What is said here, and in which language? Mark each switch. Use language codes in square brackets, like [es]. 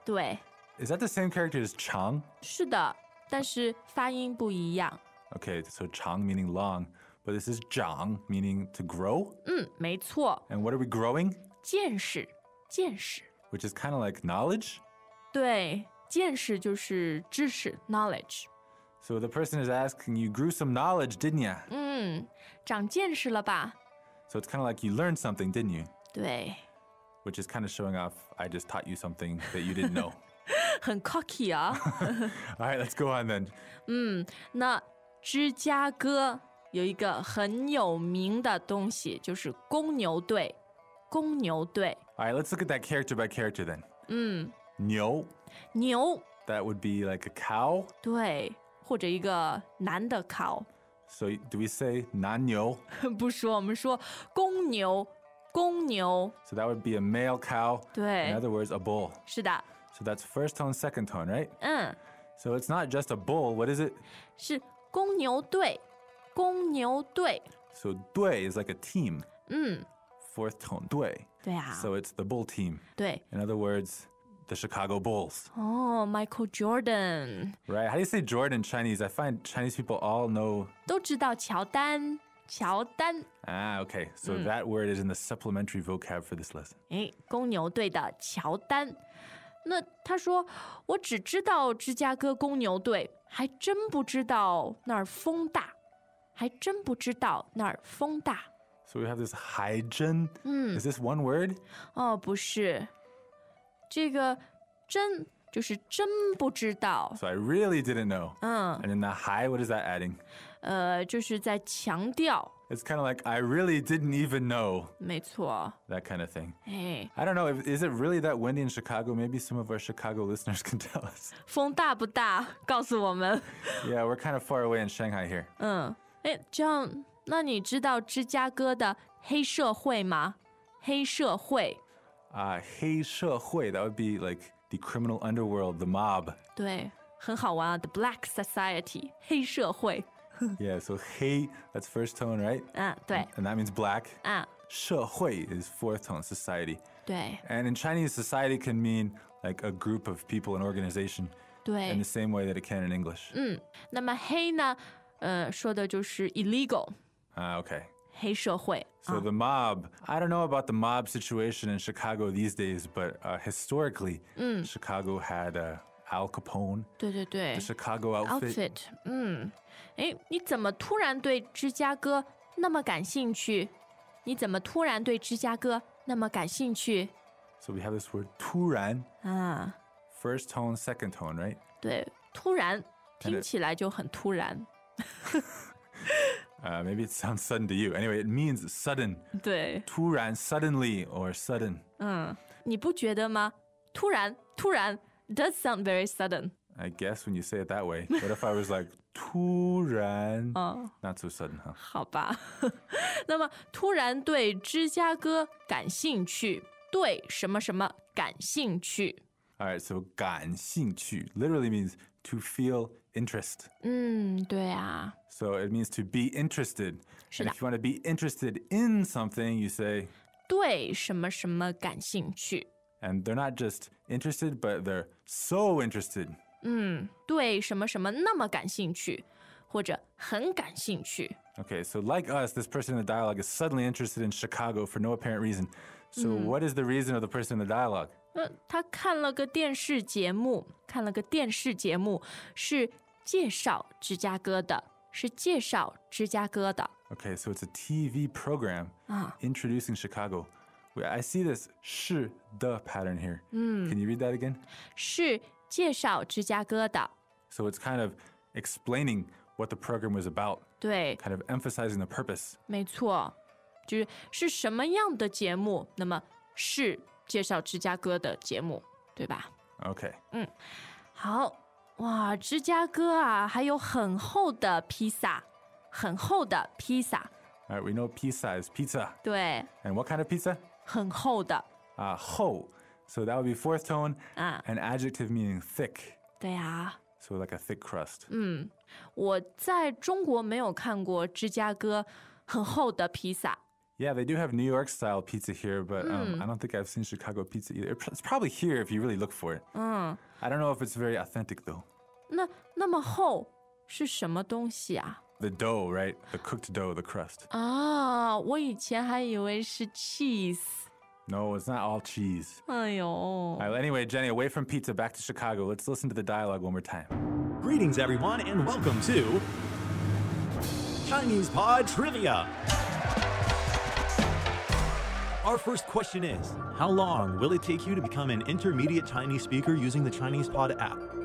[zh] 对. [en] Is that the same character as 长? [zh] 是的, 但是发音不一样. [en] Okay, so 长 meaning long, but this is 长 meaning to grow? [zh] 没错. [en] And what are we growing? [zh] 见识. [en] Which is kind of like knowledge? [zh] 对, 见识就是知识, knowledge. [en] So the person is asking, you grew some knowledge, didn't you? [zh] 长见识了吧? [en] So it's kind of like you learned something, didn't you? [zh] 对. [en] Which is kind of showing off, I just taught you something that you didn't know. [zh] 很 cocky 啊。 [en] All right, let's go on then. [zh] 那芝加哥有一个很有名的东西,就是公牛队。公牛队。 All right, let's look at that character by character then. 牛。牛。 [en] That would be like a cow? [zh] 对,或者一个男的 cow. [en] So do we say 男牛? [zh] 不说,我们说公牛。公牛. [en] So that would be a male cow. [zh] 对. [en] In other words, a bull. [zh] 是的. [en] So that's first tone, second tone, right? 嗯. So it's not just a bull. What is it? [zh] 是公牛队.公牛队. [en] So 队 is like a team. 嗯. Fourth tone, 队. [zh] 对啊. [en] So it's the bull team. [zh] 对. [en] In other words, the Chicago Bulls. Oh, Michael Jordan. Right. How do you say Jordan in Chinese? I find Chinese people all know. [zh] 都知道乔丹.乔丹. [en] Ah, okay. So that word is in the supplementary vocab for this lesson. [zh] 公牛队的乔丹. 那他说, 我只知道芝加哥公牛队, 还真不知道那儿风大, 还真不知道那儿风大. [en] So we have this 还真. Is this one word? [zh] 哦,不是.这个真, 就是真不知道. [en] So I really didn't know. 嗯. And in the 还, what is that adding? [zh] 就是在强调. [en] It's kind of like, I really didn't even know. [zh] 没错. [en] That kind of thing. Hey. I don't know, is it really that windy in Chicago? Maybe some of our Chicago listeners can tell us. [zh] 风大不大?告诉我们. [en] Yeah, we're kind of far away in Shanghai here. [zh] 嗯。John, 那你知道芝加哥的黑社会吗? 黑社会. [en] 黑社会, that would be like the criminal underworld, the mob. [zh] 对,很好玩啊, [en] the black society, [zh] 黑社会. [en] Yeah, so 黑, that's first tone, right? [zh] 对. [en] And that means black. [zh] 社会 [en] is fourth tone, society. [zh] 对. [en] And in Chinese, society can mean like a group of people, an organization. [zh] 对. [en] In the same way that it can in English. [zh] 那么黑呢, 说的就是 illegal. [en] Okay. [zh] 黑社会。 [en] So the mob, I don't know about the mob situation in Chicago these days, but historically, Chicago had Al Capone. [zh] 对对对。 [en] The Chicago outfit. [zh] Outfit, 诶，你怎么突然对芝加哥那么感兴趣？你怎么突然对芝加哥那么感兴趣？ [en] So we have this word, 突然。 First tone, second tone, right? [zh] 对，突然，听起来就很突然。 [en] Maybe it sounds sudden to you. Anyway, it means sudden. [zh] 对。 [en] 突然, suddenly, or sudden. [zh] 嗯，你不觉得吗？ [en] 突然，突然, does sound very sudden. I guess when you say it that way. What if I was like, 突然, not so sudden, huh? [zh] 好吧。那么，突然对芝加哥感兴趣，对什么什么感兴趣。 [en] All right, so 感兴趣 literally means to feel interest. [zh] 对啊。 [en] So it means to be interested. [zh] 是的。 [en] And if you want to be interested in something, you say [zh] 对什么什么感兴趣。 [en] And they're not just interested, but they're so interested. [zh] 对什么什么那么感兴趣，或者很感兴趣。 [en] Okay, so like us, this person in the dialogue is suddenly interested in Chicago for no apparent reason. So what is the reason of the person in the dialogue? [zh] 他看了个电视节目，看了个电视节目，是介绍芝加哥的，是介绍芝加哥的。 [en] Okay, so it's a TV program introducing Chicago. Wait, I see this 是的 pattern here. Can you read that again? [zh] 是介绍芝加哥的。 [en] So it's kind of explaining what the program was about. [zh] 对。 [en] Kind of emphasizing the purpose. [zh] 没错，就是是什么样的节目，那么是介绍芝加哥的节目，对吧？ [en] OK。 [zh] 好，哇，芝加哥啊，还有很厚的披萨，很厚的披萨。 [en] All right, we know pizza is pizza. [zh] 对。 [en] And what kind of pizza? [zh] 很厚的。厚。 [en] So that would be fourth tone, an adjective meaning thick. [zh] 对啊。 [en] So like a thick crust. [zh] 我在中国没有看过芝加哥很厚的披萨。 [en] Yeah, they do have New York style pizza here, but I don't think I've seen Chicago pizza either. It's probably here if you really look for it. I don't know if it's very authentic though. [zh] 那么厚是什么东西啊? [en] The dough, right? The cooked dough, the crust. [zh] 啊，我以前还以为是 cheese. [en] No, it's not all cheese. 哎呦。 All right, anyway, Jenny, away from pizza, back to Chicago. Let's listen to the dialogue one more time. Greetings, everyone, and welcome to Chinese Pod Trivia. Our first question is, how long will it take you to become an intermediate Chinese speaker using the Chinese Pod app?